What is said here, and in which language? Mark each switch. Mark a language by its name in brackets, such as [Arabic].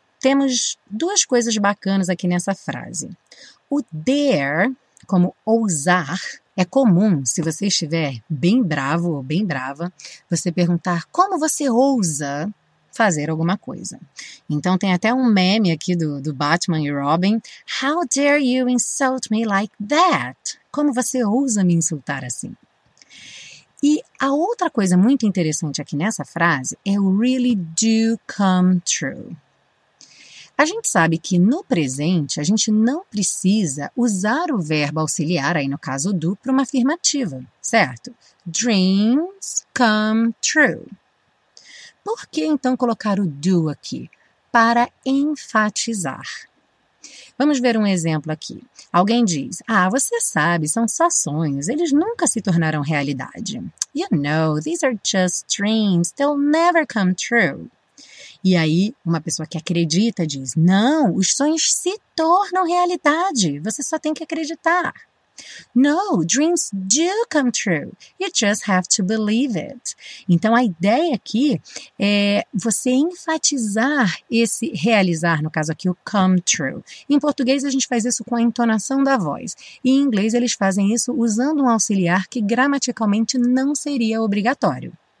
[Portuguese] Temos duas coisas bacanas aqui nessa frase. O dare, como ousar, é comum se você estiver bem bravo ou bem brava, você perguntar como você ousa fazer alguma coisa. Então tem até um meme aqui do Batman e Robin. [English] How dare you insult me like that? [Portuguese] Como você ousa me insultar assim? E a outra coisa muito interessante aqui nessa frase é o really do come true. A gente sabe que no presente a gente não precisa usar o verbo auxiliar, aí no caso do, para uma afirmativa, certo? [English] Dreams come true. [Portuguese] Por que então colocar o do aqui? Para enfatizar. Vamos ver um exemplo aqui. Alguém diz, ah, você sabe, são só sonhos, eles nunca se tornarão realidade. [English] You know, these are just dreams, they'll never come true. [Portuguese] E aí, uma pessoa que acredita diz, não, os sonhos se tornam realidade, você só tem que acreditar. [English] No, dreams do come true, you just have to believe it. [Portuguese] Então, a ideia aqui é você enfatizar esse realizar, no caso aqui, o come true. Em português, a gente faz isso com a entonação da voz. E em inglês, eles fazem isso usando um auxiliar que gramaticalmente não seria obrigatório.